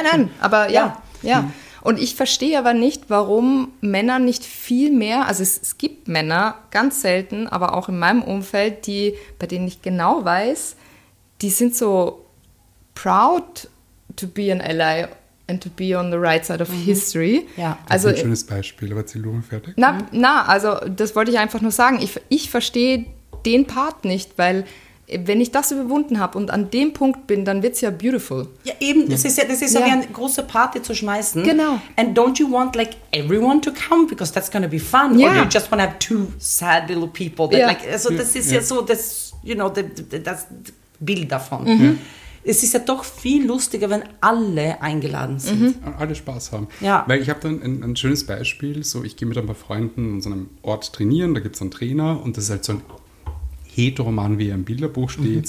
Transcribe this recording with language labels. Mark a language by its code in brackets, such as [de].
[de] Nein, aber ja. Und ich verstehe aber nicht, warum Männer nicht viel mehr, also es gibt Männer, ganz selten, aber auch in meinem Umfeld, die, bei denen ich genau weiß, die sind [en] so proud to be an ally and to be on the right side of history. [de] Ja. Das also, ist ein schönes Beispiel, aber sie lohnt fertig. Na, also das wollte ich einfach nur sagen. Ich verstehe den Part nicht, weil wenn ich das überwunden habe und an dem Punkt bin, dann wird es ja beautiful. Ja, eben, das ist ja wie eine große Party zu schmeißen. Genau. [en] And don't you want like everyone to come, because that's gonna be fun. Yeah. Or you just wanna have two sad little people. [de] Das Bild davon. [en] Mhm. Yeah. [de] Es ist ja doch viel lustiger, wenn alle eingeladen sind. Und alle Spaß haben. Ja. Weil ich habe dann ein schönes Beispiel. So, ich gehe mit ein paar Freunden in so einem Ort trainieren. Da gibt es einen Trainer. Und das ist halt so ein Heteromann, wie er im Bilderbuch steht.